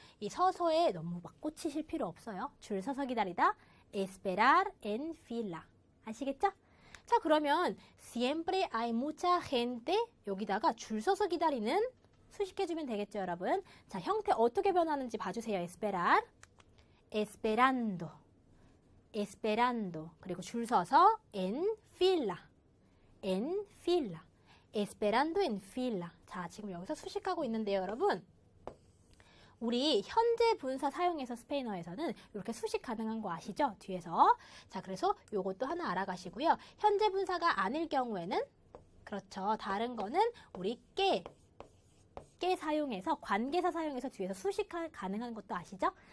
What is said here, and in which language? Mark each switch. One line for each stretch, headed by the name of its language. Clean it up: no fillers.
Korean: 이 서서에 너무 막 꽂히실 필요 없어요. 줄 서서 기다리다,
Spanish: esperar en fila.
Korean: 아시겠죠? 자, 그러면
Spanish: siempre hay mucha gente
Korean: 여기다가 줄 서서 기다리는 수식해 주면 되겠죠, 여러분. 자, 형태 어떻게 변하는지 봐주세요.
Spanish: esperar, esperando, esperando.
Korean: 그리고 줄 서서
Spanish: en fila, en fila, esperando en fila.
Korean: 자, 지금 여기서 수식하고 있는데요, 여러분. 우리 현재 분사 사용해서 스페인어에서는 이렇게 수식 가능한 거 아시죠? 뒤에서. 자, 그래서 요것도 하나 알아가시고요. 현재 분사가 아닐 경우에는, 그렇죠. 다른 거는 우리 꽤 사용해서, 관계사 사용해서 뒤에서 수식 가능한 것도 아시죠?